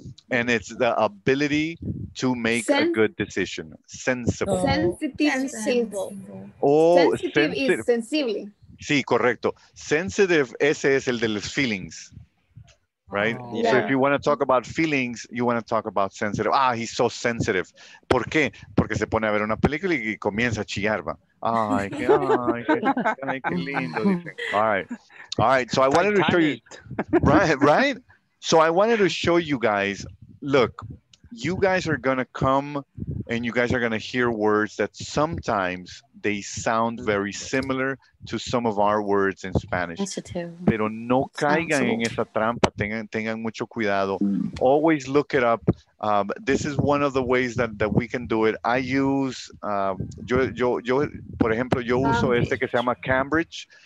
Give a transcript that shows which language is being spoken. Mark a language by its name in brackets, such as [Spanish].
[English] And it's the ability to make a good decision. Sensible. Sensitive is sensible. [Spanish] Sí, correcto. Sensitive, ese es el de los feelings, [English] right? Oh, yeah. So if you want to talk about feelings, you want to talk about sensitive. Ah, he's so sensitive. [Spanish] ¿Por qué? Porque se pone a ver una película y comienza a chillar, va. Ay, qué lindo. [English] All right. So I wanted to show you. Right. So I wanted to show you guys. Look, you guys are gonna come and you guys are gonna hear words that sometimes they sound very similar to some of our words in Spanish. [Spanish] Pero no caigan en esa trampa. Tengan mucho cuidado. [English] Always look it up. This is one of the ways that we can do it. I use, [Spanish] yo por ejemplo, yo uso este que se llama Cambridge.